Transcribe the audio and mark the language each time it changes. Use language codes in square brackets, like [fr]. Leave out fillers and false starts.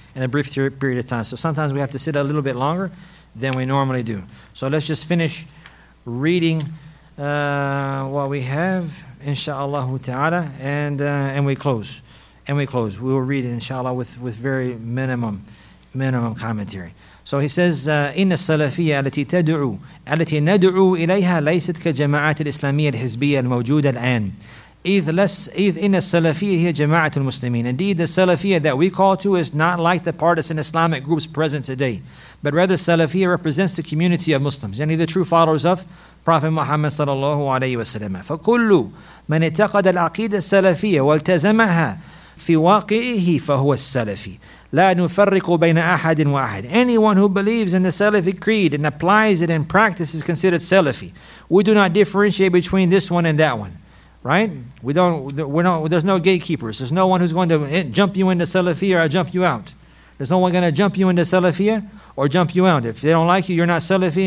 [en] So sometimes we have to sit a little bit longer than we normally do. So let's just finish reading what we have, inshallah ta'ala, and we close. We will read, inshallah, with very minimum commentary. So he says, [ar] إن السلفية التي تدعو التي ندعو إليها ليست كجماعات الإسلامية الحزبية الموجودة الآن. إذ إن السلفية هي جماعة المسلمين. [en] Indeed, the Salafia that we call to is not like the partisan Islamic groups present today, but rather Salafia represents the community of Muslims, yani the true followers of Prophet Muhammad sallallahu alayhi wa sallam. [ar] فكل من اعتقد العقيدة السلفية والتزمها في واقعه فهو السلفي. لا نفرق بين أحد واحد. [en] Anyone who believes in the Salafi creed and applies it in practice is considered Salafi. We do not differentiate between this one and that one. Right? There's no gatekeepers. There's no one who's going to jump you into Salafiyah or jump you out. There's no one going to jump you into Salafiyah or jump you out. If they don't like you, you're not Salafi.